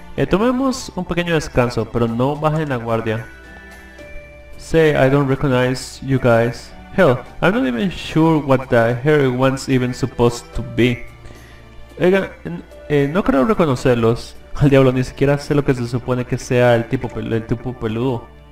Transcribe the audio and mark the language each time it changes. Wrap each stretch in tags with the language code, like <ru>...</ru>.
<es>Tomemos un pequeño descanso, pero no bajen la guardia.</es> <en>Say, I don't recognize you guys. Hell, I'm not even sure what the hairy one's even supposed to be.</en> <es>Oigan, no creo reconocerlos. Al diablo, ni siquiera sé lo que se supone que sea el tipo peludo.</es>